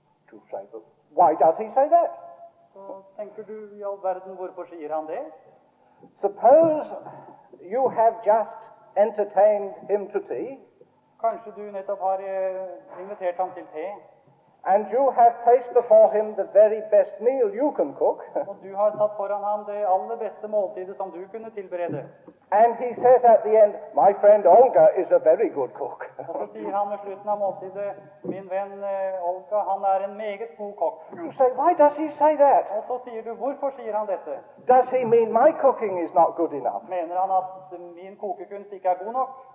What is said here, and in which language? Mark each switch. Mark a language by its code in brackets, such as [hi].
[en] To say, but why does he say that? [no] Så tenker du i all verden, hvorfor sier han det? [en] Suppose you have just entertained him to tea. [no] Kanskje du nettopp har invitert ham til te. [en] And you have placed before him the very best meal you can cook. [no] Og du har satt foran ham det aller beste måltidet som du kunne tilberede. [en] And he says at the end, my friend Olga is a very good cook. [no] Og så sier han ved slutten av måltidet, min venn Olga, han en meget god kokk. [en] You say, why does he say that? [no] Og så sier du, hvorfor sier han dette? [en] Does he mean my cooking is not good enough? [no] Mener han at min kokekunst ikke god nok?